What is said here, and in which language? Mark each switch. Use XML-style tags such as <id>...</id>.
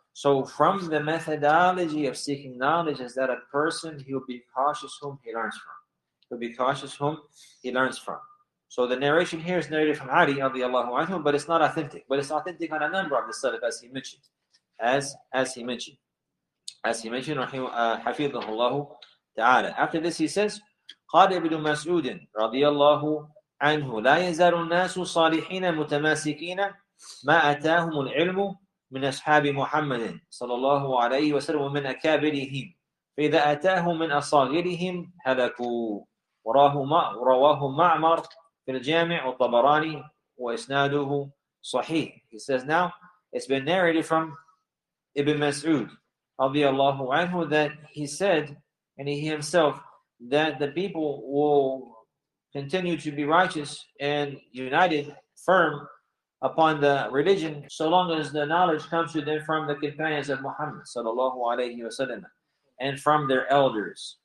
<en>So from the methodology of seeking knowledge is that a person, he'll be cautious whom he learns from. He'll be cautious whom he learns from. So the narration here is narrated from Ali radiallahu anhu, but it's not authentic. But it's authentic on a number of the Salaf, as he mentioned. As he mentioned, hafidhahullahu ta'ala. After this he says,</en> <ar>قَالَ إِبْنُ مَسْعُودٍ رَضِيَ عَنْهُ لَا يَزَالُ النَّاسُ صَالِحِينَ مُتَمَاسِكِينَ مَا أَتَاهُمُ الْعِلْمُ مِنْ أَصْحَابِ مُحَمَّدٍ صَلَى اللَّهُ عَلَيْهِ وَسَلَّمُ مِنْ أَكَابِرِهِمْ فَإِذَا أَتَاهُمْ مِنْ أَصَاغِرِهِمْ هَلَكُوا. رواه معمر في الجامع والطبراني وإسناده صحيح.</ar> <en>He says, now it's been narrated from Ibn Mas'ud</en> <ar>رضي الله عنه</ar> <en>that he said, and he himself, that the people will continue to be righteous and united, firm upon the religion, so long as the knowledge comes to them from the companions of Muhammad sallallahu alayhi wa sallam, and from their elders.</en>